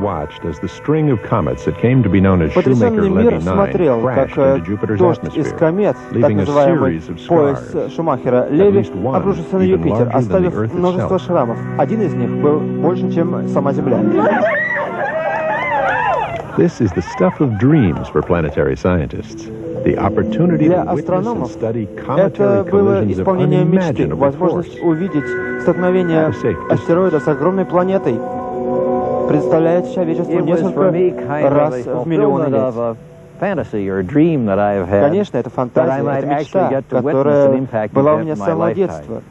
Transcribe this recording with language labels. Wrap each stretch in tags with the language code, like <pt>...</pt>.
<ru>Потрясенный мир смотрел, как дождь из комет, так называемый пояс Шумахера-Леви, обрушился на Юпитер, оставив множество шрамов. Один из них был больше, чем сама Земля.</ru> <en>This is the stuff of dreams for planetary scientists. The opportunity</en> <ru>для астрономов</ru> <en>to study cometary</en> <ru>это было исполнение мечты, возможность увидеть столкновение астероида с огромной планетой, представляет человечество несколько раз в миллионы лет.</ru> <en>Fantasy or dream that I've had.</en> <ru>Конечно, это фантазия, это мечта, которая была у меня с самого детства.</ru>